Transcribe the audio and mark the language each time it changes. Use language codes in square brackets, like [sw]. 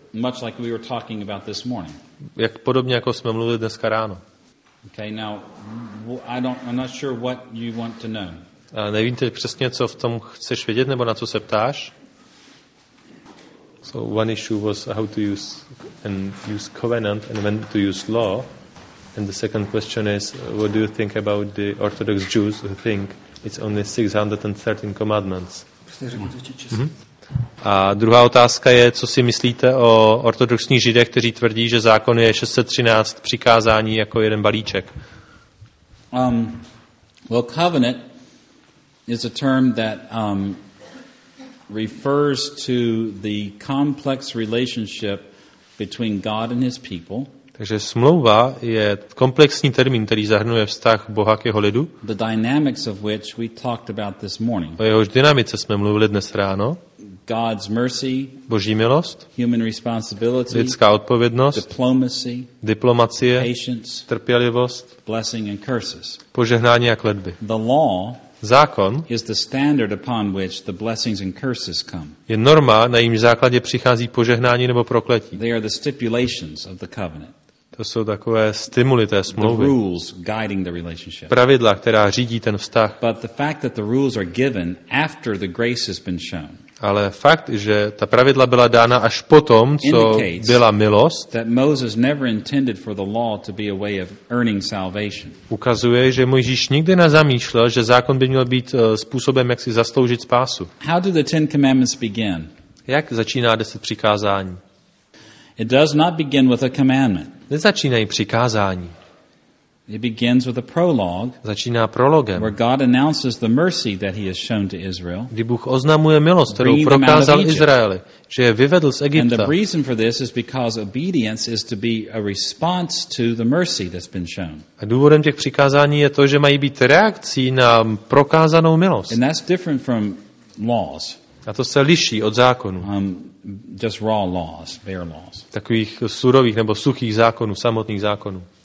[en] Much like we were talking about this morning. [cs] Jak podobně jako jsme mluvili dneska ráno. [en] Okay, now I'm not sure what you want to know. [cs] A nevím teď přesně, co v tom chceš vědět nebo na co se ptáš. [en] So one issue was how to use covenant and when to use law. And the second question is what do you think about the Orthodox Jews who think it's only 613 commandments. [cs] A druhá otázka je, co si myslíte o ortodoxních Židech, kteří tvrdí, že zákon je 613 přikázání jako jeden balíček. [en] Covenant is a term that refers to the complex relationship between God and his people. [cs] Takže smlouva je komplexní termín, který zahrnuje vztah Boha k jeho lidu. [en] The dynamics of which we talked about this morning. [cs] O jehož dynamice jsme mluvili dnes ráno. [en] God's mercy, [cs] Boží milost, [en] human responsibility, [cs] lidská odpovědnost, [en] diplomacy, [cs] diplomacie, [en] patience, [cs] trpělivost, [en] blessing and curses. [cs] Požehnání a kletby. [en] The law, [cs] zákon, [en] is the standard upon which the blessings and curses come. [cs] Je norma, na jejím základě přichází požehnání nebo prokletí. [en] They are the stipulations of the covenant. [cs] To jsou takové stimuly té smlouvy. [en] The rules guiding the relationship. [cs] Pravidla, která řídí ten vztah. [en] But the fact that the rules are given after the grace has been shown. [cs] Ale fakt, že ta pravidla byla dána až potom, co byla milost, [en] that Moses never intended for the law to be a way of earning salvation. [cs] Ukazuje, že Mojžíš nikdy nezamýšlel, že zákon by měl být způsobem, jak si zasloužit spásu. [en] How do the Ten Commandments begin? [cs] Jak začíná 10 přikázání? [en] It does not begin with a commandment. [cs] Nezačínají přikázání. [en] It begins with a prologue. [cs] Začíná prologem. [en] Where God announces the mercy that he has shown to Israel. [cs] Kdy Bůh oznamuje milost, kterou prokázal Izraeli, že je vyvedl z Egypta. [en] And the reason for this is because obedience is to be a response to the mercy that's been shown. [cs] A důvodem těch přikázání je to, že mají být reakcí na prokázanou milost. [en] And that's different from laws. [cs] A to se liší od zákonů. [en] Just raw laws, bare laws. [cs] Takových surových nebo suchých zákonů, samotných zákonů.